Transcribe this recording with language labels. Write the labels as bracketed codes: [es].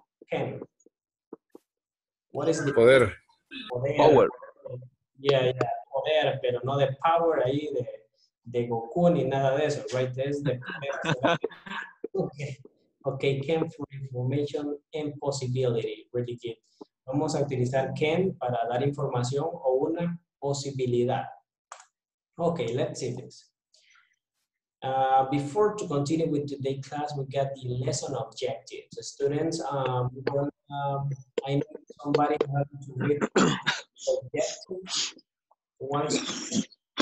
[en] Can. What is the [es] poder? Poder. [en] Power. [es] Yeah, yeah, poder, pero no [en] the power [es] ahí de Goku ni nada de eso, [en] right? [es] Es de poder. [en] Okay, can for information and possibility, really good. [es] Vamos a utilizar can para dar información o una posibilidad. [en] Okay, let's see this. Before to continue with today's class, we got the lesson objectives. So students, I know somebody has to read the objectives.